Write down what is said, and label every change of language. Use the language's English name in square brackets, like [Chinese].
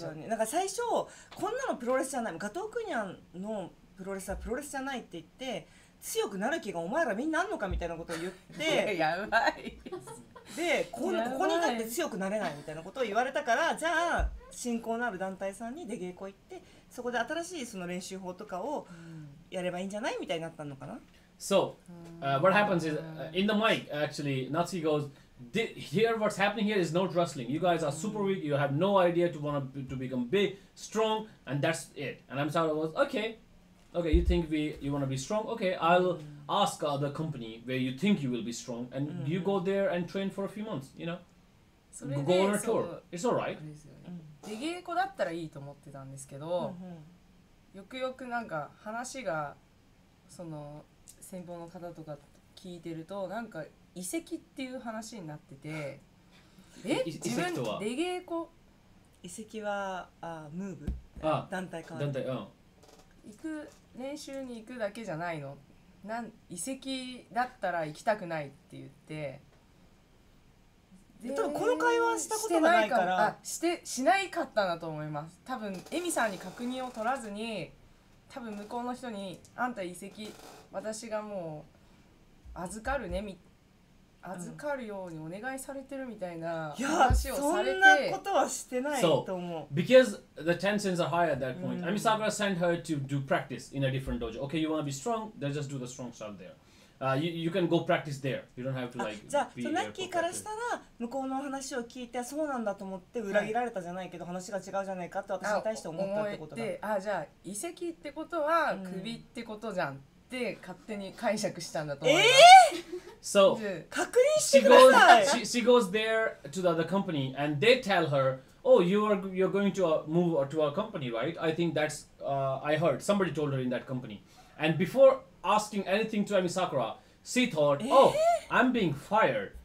[Japanese] そうだね、なんか最初こんなのプロレスじゃない、ガトークニャンのプロレスはプロレスじゃないって言って、強くなる気がお前らみんなあんのかみたいなことを言ってやばいで、ここにだって強くなれないみたいなことを言われたから、じゃあ信仰のある団体さんに出稽古行って、そこで新しいその練習法とかをやればいいんじゃないみたいになったのかな。 [English] So、what happens is、in the mic actually Natsuki goesHere, what's happening here is not wrestling. You guys are super weak. You have no idea to want to become big, strong, and that's it. And I'm sorry, I was okay. Okay, you think you want to be strong? Okay, I'll ask the company where you think you will be strong, and you go there and train for a few months, you know? [Japanese] それで、 [English] Go on a tour. It's all right. [Japanese] 出稽古だったらいいと思ってたんですけど、よくよくなんか話がその先方の方とか聞いてるとなんか移籍っていう話になってて、え、自分出稽古、移籍はムーブ、団体か、団体、うん、行く練習に行くだけじゃないの、なん移籍だったら行きたくないって言って、多分この会話したことがないから、しないかったなと思います。多分エミさんに確認を取らずに、多分向こうの人にあんた移籍、私がもう預かるね、預かるようにお願いされてるみたいな話をされて、そんなことはしてないと思う。 [English] So, because the tensions are high at that point, Ami Sakura sent her to do practice in a different dojo. Okay, you want to be strong? Then just do the strong stuff there. You can go practice there. You don't have to like be there. [Japanese] じゃあ、ナッキーからしたら向こうの話を聞いて、そうなんだと思って裏切られたじゃないけど、話が違うじゃないかって私に対して思ったってことだ。あ、じゃあ移籍ってことはクビってことじゃん。で勝手に解釈したんだと思います。確認してください。 [English] She goes there to the company and they tell her, oh, you're going to move to our company, right? I think that's, I heard somebody told her in that company. And before asking anything to Ami Sakura, she thought, oh, I'm being fired.